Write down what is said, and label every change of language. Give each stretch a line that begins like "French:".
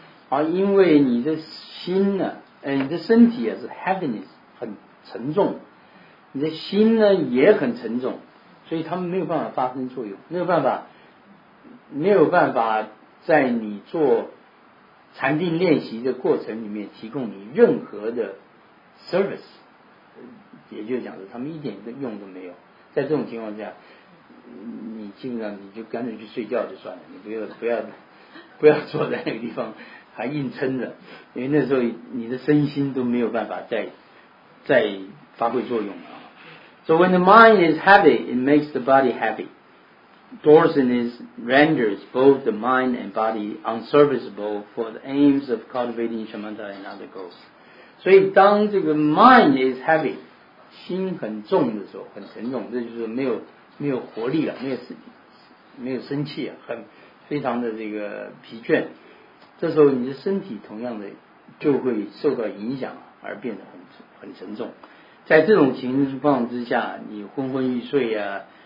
Chinese: 而因为你的心呢，你的身体也是 heaviness 很沉重，你的心呢也很沉重，所以他们没有办法发生作用，没有办法在你做禅定练习的过程里面提供你任何的 service， 也就是讲说他们一点的用都没有。在这种情况下，你基本上你就干脆去睡觉就算了，你不要坐在那个地方还硬撑着，因为那时候你的身心都没有办法再发挥作用了。
English: So when the mind is heavy, it makes the body heavy. Dorsiness renders both the mind and body unserviceable for the aims of cultivating shamatha and other goals.
Chinese: 所以当这个
English: mind is heavy.
Chinese: 心很重的时候，很沉重，这就是没有活力了，没有生气啊，很非常的这个疲倦。这时候你的身体同样的就会受到影响，而变得很沉重。在这种情况之下，你昏昏欲睡啊，